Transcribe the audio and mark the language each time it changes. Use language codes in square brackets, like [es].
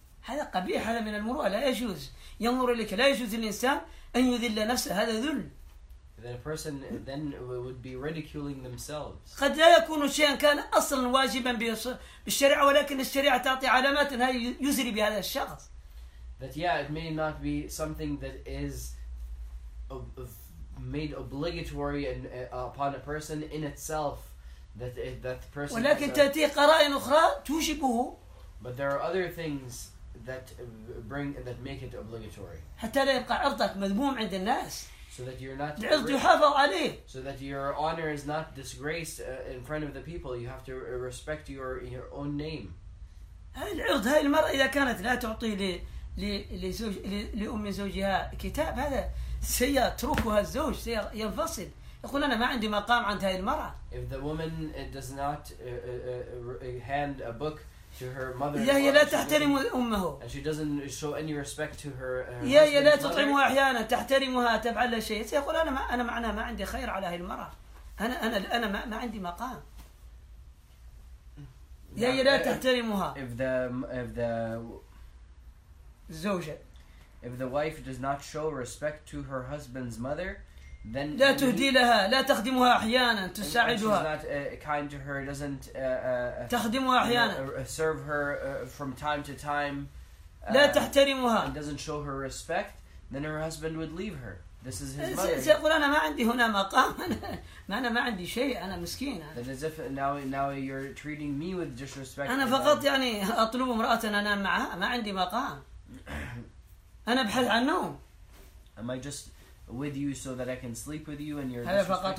[ar] هذا قبيح هذا من المروءة لا يجوز ينظر لك لا يجوز الإنسان أن يذل نفسه هذا ذل. [en] Then a person then would be ridiculing themselves. [ar] قد لا يكون شيئا كان أصلا واجبا بالشريعة ولكن الشريعة تعطي علامات أنها يزري بهذا الشخص. [en] That yeah, it may not be something that is made obligatory and upon a person in itself. That the person. [ar] ولكن تأتي قرائن أخرى توجبه. [en] But there are other things that bring that make it obligatory. [ar] حتى لا يبقى عرضك مذموم عند الناس. [en] So that you're not. [ar] العرض يحافظ عليه. [en] So that your honor is not disgraced in front of the people. You have to respect your own name. [ar] هاي العرض هاي المرأة إذا كانت لا تعطي لزوج لأم زوجها كتاب هذا سيتركها الزوج سينفصل. يقول أنا ما عندي مقام عند هاي المرأة. [en] If the woman does not hand a book to her mother, [ar] يا هي لا تحترم أمه. [en] And she doesn't show any respect to her. [ar] يا هي لا تطعمها أحيانا تحترمها تفعل لها شيء. سيقول أنا معناها ما عندي خير على هاي المرأة. أنا ما عندي مقام. يا هي لا تحترمها. [en] If the [ar] زوجة. [en] If the wife does not show respect to her husband's mother. Then [ar] لا تهدي لها لا تخدمها أحيانا تساعدها. [en] She's not kind to her. Doesn't [ar] تخدمها أحيانا. [en] Serve her from time to time. [ar] لا تحترمها. [en] And doesn't show her respect. Then her husband would leave her. This is his mother. [ar] سيقول أنا ما عندي هنا مقام أنا ما عندي شيء أنا مسكين. [en] That is if now you're treating me with disrespect. [ar] أنا فقط يعني أطلب امرأة أنام معها ما عندي مقام. أنا أبحث عن نوم. [en] Am I just with you so that I can sleep with you and you're disrespecting